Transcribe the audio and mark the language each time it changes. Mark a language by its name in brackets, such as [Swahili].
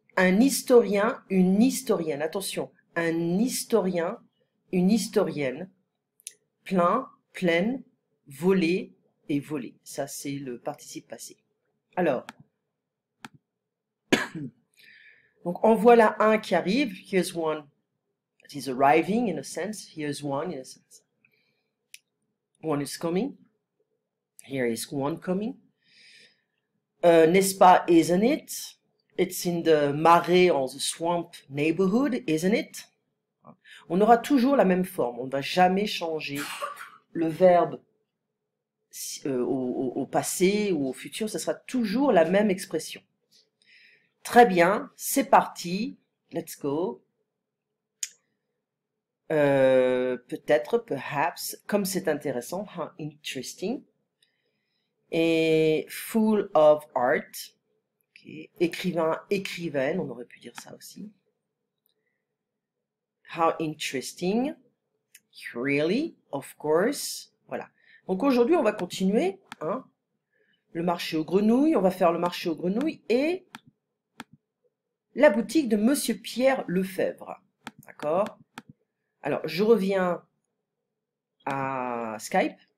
[French] Un historien, une historienne, attention, un historien, une historienne, plein, pleine, volé et volé. Ça, c'est le participe passé. Alors, en voilà un qui arrive. [English] Here's one that is arriving in a sense. Here's one in a sense. One is coming. Here is one coming. [French] N'est-ce pas, [English] isn't it? It's in the Marais, on the swamp neighborhood, isn't it? [French] On aura toujours la même forme. On ne va jamais changer le verbe au passé ou au futur, ce sera toujours la même expression. Très bien, c'est parti, [English] let's go. [French] Peut-être, perhaps, comme c'est intéressant, huh, interesting. [English] Et full of art, okay. [French] Écrivain, écrivaine, on aurait pu dire ça aussi. [English] How interesting, really, of course. [French] Voilà. Donc aujourd'hui, on va continuer, hein, le marché aux grenouilles. On va faire le marché aux grenouilles et la boutique de Monsieur Pierre Lefebvre. D'accord? Alors, je reviens à Skype.